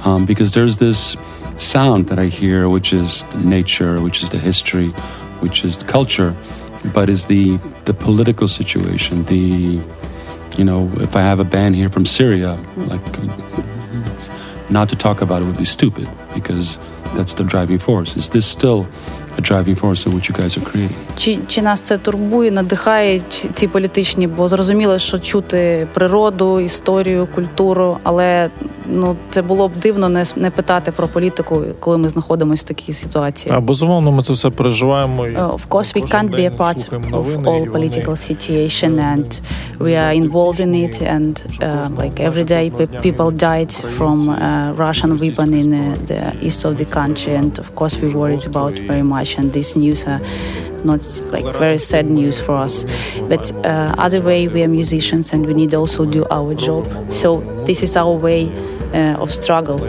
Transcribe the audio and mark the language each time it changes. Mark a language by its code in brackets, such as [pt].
[en] Because there's this sound that I hear, which is nature, which is the history, which is the culture, but is the political situation, the, you know, if I have a band here from Syria, like, not to talk about it would be stupid, because that's the driving force. Is this still a driving force of what you guys are creating? [uk] Чи нас це турбує, надихає ці політичні, бо зрозуміло, що чути природу, історію, культуру, але ну, це було б дивно не питати про політику, коли ми знаходимося в такій ситуації. А безумовно, ми це все переживаємо. [en] Of course, we can't be a part of all political situation, and we are involved in it, and like every day people died from Russian weapon in the east of the country, and of course we worried about very much, and this news not like very sad news for us, but other way we are musicians and we need also do our job, so this is our way of struggle.